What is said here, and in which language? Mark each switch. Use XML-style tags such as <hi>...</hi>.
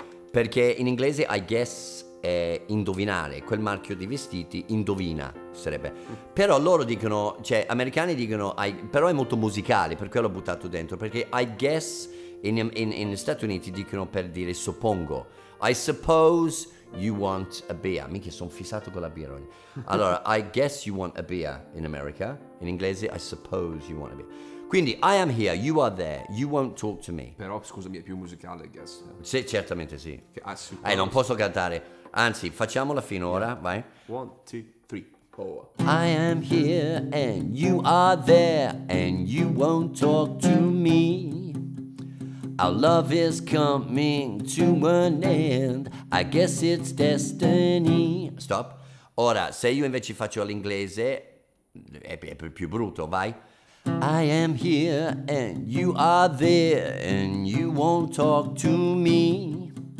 <it>Perché in inglese</it> <en>I guess</en> <it>è indovinare, quel marchio di vestiti indovina sarebbe. Però loro dicono, cioè americani dicono, però è molto musicale, per quello ho buttato dentro, perché</it> <en>I guess</en> <it>in Stati Uniti dicono per dire suppongo.</it> <en>I suppose you want a beer.</en> <it>Mica sono fissato con la birra. Allora,</it> <en>I guess you want a beer in America.</en> <it>In inglese,</it> <en>I suppose you want a beer.</en> <it>Quindi,</it> <en>I am here, you are there, you won't talk to me.</en> <it>Però, scusami, è più musicale,</it> <en>I guess.</en> <it>Sì, certamente sì. Okay, non posso cantare. Anzi, facciamola finora, yeah. Vai.</it> <en>One, two, three, four. I am here and you are there and you won't talk to me. Our love is coming to an end. I guess it's destiny. Stop.</en> <it>Ora, se io invece faccio all'inglese, è più brutto, vai.</it> <en>I am here and you are there and you won't talk to me.</en>